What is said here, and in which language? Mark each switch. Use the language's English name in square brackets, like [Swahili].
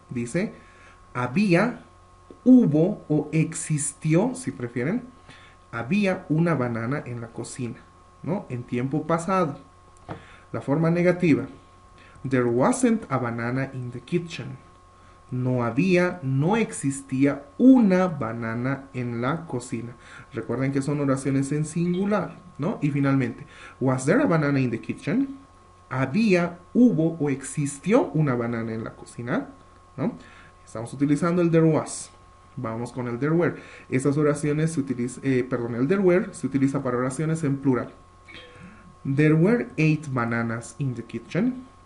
[Spanish] Dice, había, hubo o existió, si prefieren, había una banana en la cocina, ¿no? En tiempo pasado. La forma negativa. [English] There wasn't a banana in the kitchen. [Spanish] No había, no existía una banana en la cocina. Recuerden que son oraciones en singular, ¿no? Y finalmente, [English] was there a banana in the kitchen? [Spanish] Había, hubo o existió una banana en la cocina, ¿no? Estamos utilizando el there was. Vamos con el there were. Esas oraciones se utilizan, el there were se utiliza para oraciones en plural. [English] There were 8 bananas in the kitchen.